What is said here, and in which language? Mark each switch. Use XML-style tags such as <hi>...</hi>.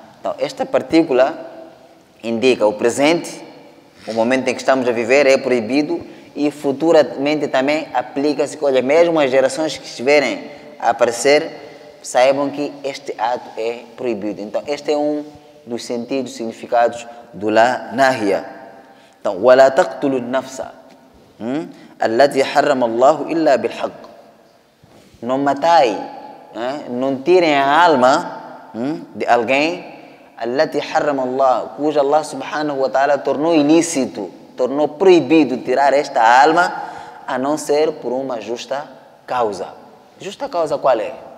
<pt>Então, esta partícula indica o presente, o momento em que estamos a viver é proibido e futuramente também aplica-se, que, olha, mesmo as gerações que estiverem a aparecer, saibam que este ato é proibido. Então, este é um dos sentidos, significados do La Nahia.</pt> <ar>Então, وَلَا تَقْتُلُ النَّفْسَ الَّذِي حَرَّمَ اللَّهُ إِلَّا بِالْحَقِّ.</ar> <pt>Não matai, não tirem a alma de alguém</pt> <ar>الَّذِي حَرَّمَ اللَّهُ,</ar> <pt>cujo Allah subhanahu wa ta'ala tornou ilícito, tornou proibido tirar esta alma, a não ser por uma justa causa. Justa causa qual é?</pt>